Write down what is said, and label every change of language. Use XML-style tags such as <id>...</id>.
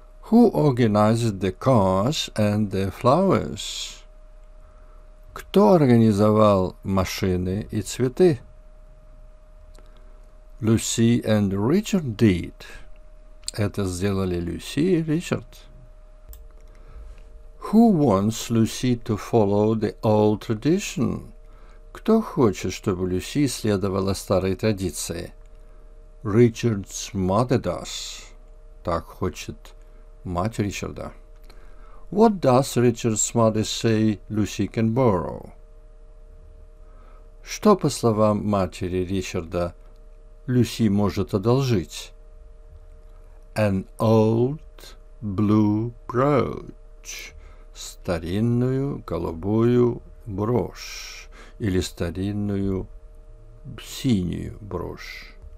<en>Who organized the cars and the flowers?</en> <ru>Кто организовал машины и цветы?</ru> <en>Lucy and Richard did.</en> <ru>Это сделали Люси и Ричард.</ru> <en>Who wants Lucy to follow the old tradition?</en> <ru>Кто хочет, чтобы Люси следовала старой традиции?</ru> <en>Richard's mother does.</en> <ru>Так хочет мать Ричарда.</ru> <en>What does Richard's mother say Lucy can borrow?</en> <ru>Что, по словам матери Ричарда, Люси может одолжить?</ru> <en>An old blue brooch.</en> <ru>Старинную голубую брошь. Или старинную синюю брошь.</ru>